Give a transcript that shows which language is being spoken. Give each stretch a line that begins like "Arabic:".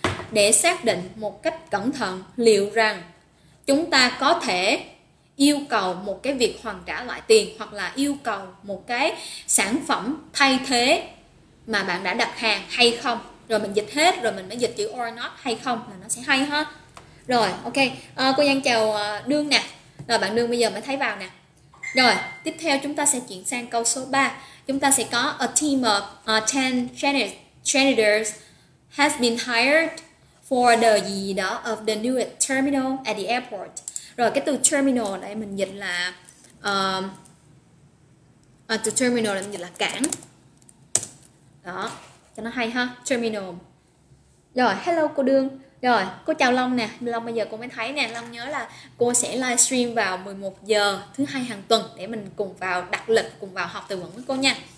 Vietnamese: Để xác định một cách cẩn thận, liệu rằng chúng ta có thể yêu cầu một cái việc hoàn trả lại tiền hoặc là yêu cầu một cái sản phẩm thay thế mà bạn đã đặt hàng hay không? Rồi mình dịch hết rồi mình mới dịch chữ
English: or not
Vietnamese: hay không là nó sẽ hay ha. Rồi ok, cô Giang chào Đương nè. Rồi bạn Đương bây giờ mới thấy vào nè. Rồi tiếp theo chúng ta sẽ chuyển sang câu số 3. Chúng ta sẽ có
English: a team of 10 janitors has been hired for the
Vietnamese: gì đó
English: of the new terminal at the airport.
Vietnamese: Rồi cái từ terminal đây mình dịch là
English: the terminal
Vietnamese: là mình dịch là cảng. Đó, cho nó hay ha, terminal. Rồi, hello cô Đương. Rồi, cô chào Long nè. Long bây giờ cô mới thấy nè, Long nhớ là cô sẽ livestream vào 11 giờ thứ hai hàng tuần để mình cùng vào đặt lịch cùng vào học từ vựng với cô nha.